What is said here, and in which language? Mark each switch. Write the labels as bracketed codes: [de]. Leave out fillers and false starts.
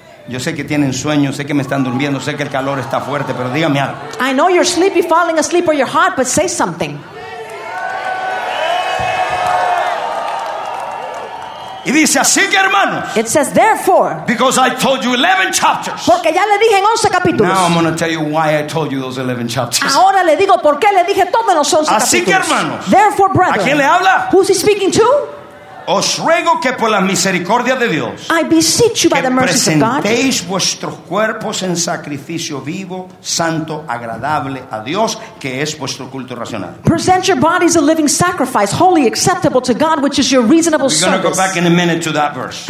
[es] Yo sé que tienen sueños, sé que me están durmiendo, sé que el calor está fuerte, pero dígame algo. [en] I know you're sleepy, falling asleep, or you're hot, but say something. [es] Y dice, así que hermanos. [en] It says, therefore. Because I told you 11 chapters. [es] Porque ya le dije en 11 capítulos. [en] Now I'm going to tell you why I told you those 11 chapters. [es] Ahora le digo por qué le dije todos los 11 capítulos. Así que hermanos. [en] Therefore, brethren. [es] ¿A quién le habla? [en] Who's he speaking to? [es] Os ruego que por la misericordia de Dios [en] I beseech you by the mercies of God [es] que presentéis vuestros cuerpos en sacrificio vivo, santo, agradable a Dios, que es vuestro culto racional. [en] Present your bodies a living sacrifice, holy, acceptable to God, which is your reasonable service. We're going to go back in a minute to that verse.